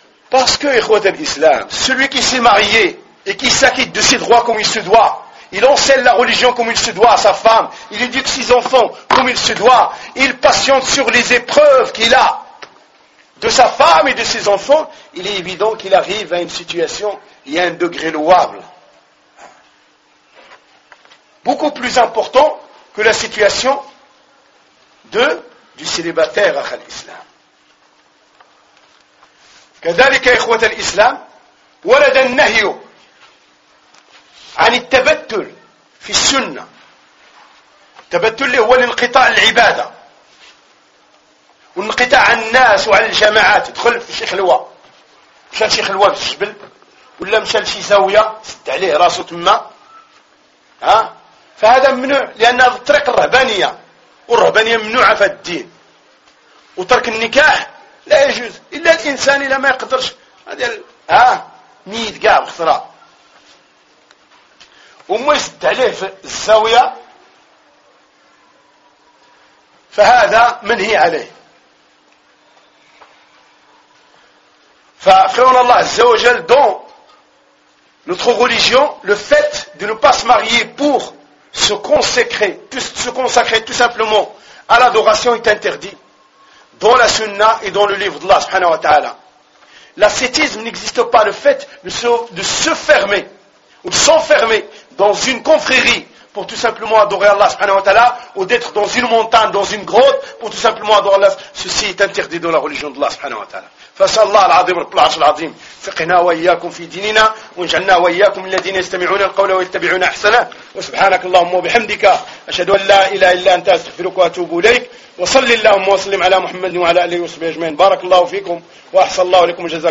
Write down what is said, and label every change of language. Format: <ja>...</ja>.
<fr>Parce que,</fr> <ar>ikhwat al-Islam,</ar> <fr>celui qui s'est marié et qui s'acquitte de ses droits comme il se doit, il enseigne la religion comme il se doit à sa femme, il éduque ses enfants comme il se doit, il patiente sur les épreuves qu'il a de sa femme et de ses enfants, il est évident qu'il arrive à une situation, il y a un degré louable, beaucoup plus important que la situation du célibataire à l'islam.</fr> <ar>كذلك إخوة الإسلام ولد النهي عن التبتل في السنة. التبتل هو الانقطاع العبادة والانقطاع عن الناس وعن الجماعات. دخل في شيخ الوا، مشى شيخ الوا في الجبل ولا مشى لشي زاوية سد عليه راسه تما، فهذا ممنوع، لأن هذا الطريق الرهبانية، والرهبانية ممنوعة في الدين. وترك النكاح لا يجوز إلا الإنسان إلا ما يقدرش، هذه ميت كاع بخطرة وما يسد عليه في الزاوية فهذا منهي عليه. فخيرنا الله عز وجل دون</ar> <fr>notre religion, le fait de ne pas se marier pour se consacrer tout simplement à l'adoration est interdit dans la sunna et dans le livre d'Allah subhanahu wa ta'ala. L'ascétisme n'existe pas, le fait de se fermer ou de s'enfermer dans une confrérie pour tout simplement adorer Allah subhanahu wa ta'ala, ou d'être dans une montagne, dans une grotte pour tout simplement adorer Allah, ceci est interdit dans la religion d'Allah subhanahu wa ta'ala.</fr> <ar>فسأل الله العظيم رب العرش العظيم فقنا وإياكم في ديننا وانجعلنا وإياكم الذين يستمعون القول ويتبعون أحسنه. وسبحانك اللهم وبحمدك أشهد أن لا إله إلا أنت أستغفرك وأتوب إليك. وصلي اللهم وسلم على محمد وعلى آله وصحبه أجمعين. بارك الله فيكم وأحسن الله لكم جزاكم.</ar>